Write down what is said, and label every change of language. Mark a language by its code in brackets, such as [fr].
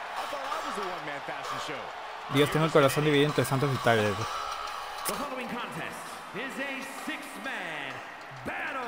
[en] I thought I was the one man fashion show. [es] Dios, tengo el corazón dividido entre Santos y Tyler. [en] The following contest is a six-man battle.